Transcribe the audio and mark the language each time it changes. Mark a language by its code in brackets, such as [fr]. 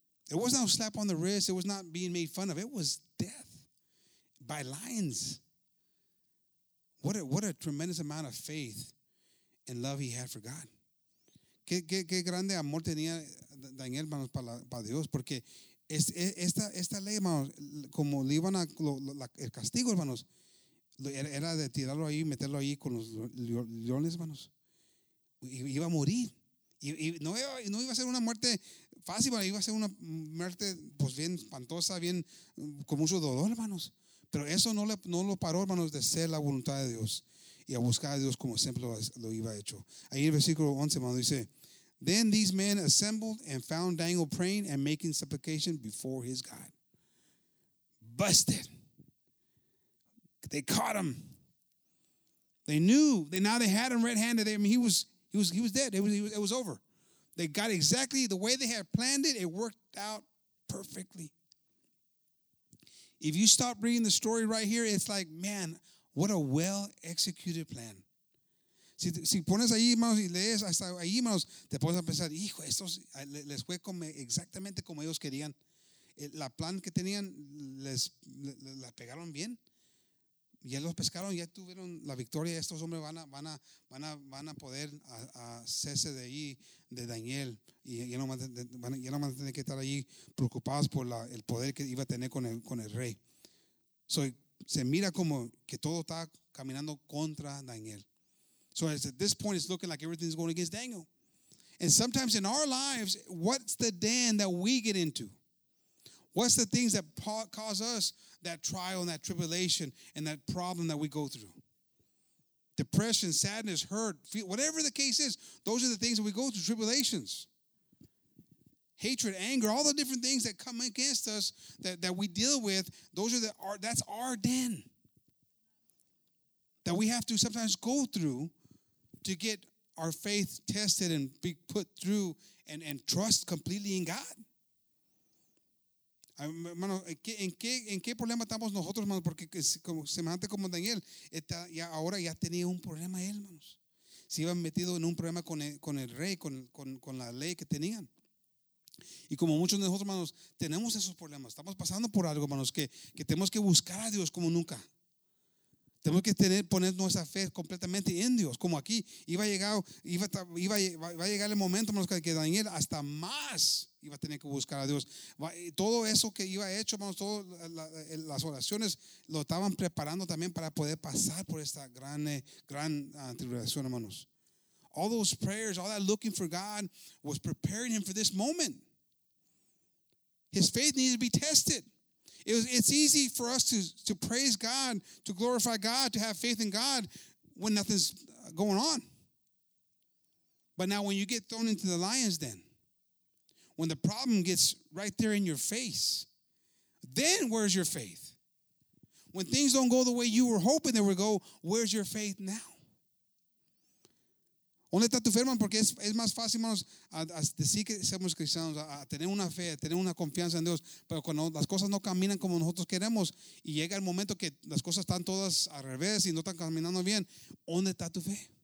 [en] It was not a slap on the wrist. It was not being made fun of. It was death by lions. What a tremendous amount of faith and love he had for God. [es] Qué grande amor tenía Daniel, hermanos, para Dios, porque esta ley, hermanos, como le iban a el castigo, hermanos, era de tirarlo ahí, meterlo ahí con los leones, hermanos. Iba a morir. No iba a ser una muerte fácil, pero iba a ser una muerte pues bien espantosa, bien con mucho dolor, hermanos. Pero eso no lo paró, hermanos, de ser la voluntad de Dios y a buscar a Dios como siempre lo iba hecho. Ahí en el versículo 11, hermanos, dice, [en] then these men assembled and found Daniel praying and making supplication before his God. Busted. They caught him. They knew. Now they had him red-handed. I mean, he was dead. It was over. They got exactly the way they had planned it. It worked out perfectly. If you stop reading the story right here, it's like, man, what a well-executed plan. [es] Si pones ahí, hermanos, y lees hasta ahí, hermanos, te pones a pensar, hijo, esto les fue exactamente como ellos querían. La plan que tenían, la pegaron bien. Ya los pescaron, ya tuvieron la victoria. Estos hombres van a poder hacerse de ahí, de Daniel. Y ya no van a tener que estar allí preocupados por el poder que iba a tener con el rey. So, se mira como que todo está caminando contra Daniel. [en] So at this point, it's looking like everything is going against Daniel. And sometimes in our lives, what's the den that we get into? What's the things that cause us that trial and that tribulation and that problem that we go through? Depression, sadness, hurt, fear, whatever the case is, those are the things that we go through, tribulations. Hatred, anger, all the different things that come against us that we deal with, that's our den that we have to sometimes go through to get our faith tested and be put through and trust completely in God. [es] Hermano, ¿en qué problema estamos nosotros, hermanos? Porque semejante como Daniel, ahora ya tenía un problema él, hermanos. Se iban metido en un problema con el rey, con la ley que tenían. Y como muchos de nosotros, hermanos, tenemos esos problemas. Estamos pasando por algo, hermanos, que tenemos que buscar a Dios como nunca. Tenemos que tener, poner nuestra fe completamente en Dios, como aquí. Iba a llegar el momento que Daniel hasta más iba a tener que buscar a Dios. Todo eso que iba hecho, hermanos, todas las oraciones lo estaban preparando también para poder pasar por esta gran tribulación, hermanos. [en] All those prayers, all that looking for God was preparing him for this moment. His faith needed to be tested. It's easy for us to praise God, to glorify God, to have faith in God when nothing's going on. But now when you get thrown into the lion's den, when the problem gets right there in your face, then where's your faith? When things don't go the way you were hoping they would go, where's your faith now? [es] ¿Dónde está tu fe, hermano? Porque es más fácil, hermanos, a decir que somos cristianos, a tener una fe, a tener una confianza en Dios. Pero cuando las cosas no caminan como nosotros queremos y llega el momento que las cosas están todas al revés y no están caminando bien, ¿dónde está tu fe?